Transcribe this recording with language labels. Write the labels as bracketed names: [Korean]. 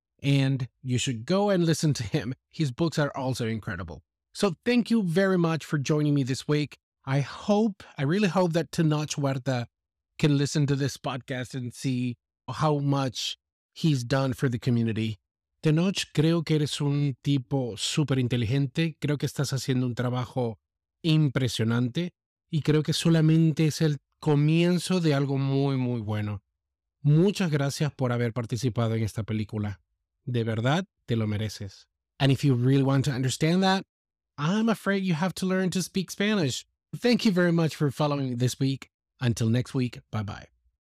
[English] And you should go and listen to him. His books are also incredible. So thank you very much for joining me this week. I really hope that Tinoch Huerta can listen to this podcast and see how much he's done for the community. [Spanish] Tinoch, creo que eres un tipo súper inteligente. Creo que estás haciendo un trabajo impresionante. Y creo que solamente es el comienzo de algo muy, muy bueno. Muchas gracias por haber participado en esta película. De verdad, te lo mereces. [English] And if you really want to understand that, I'm afraid you have to learn to speak Spanish. Thank you very much for following me this week. Until next week, bye-bye.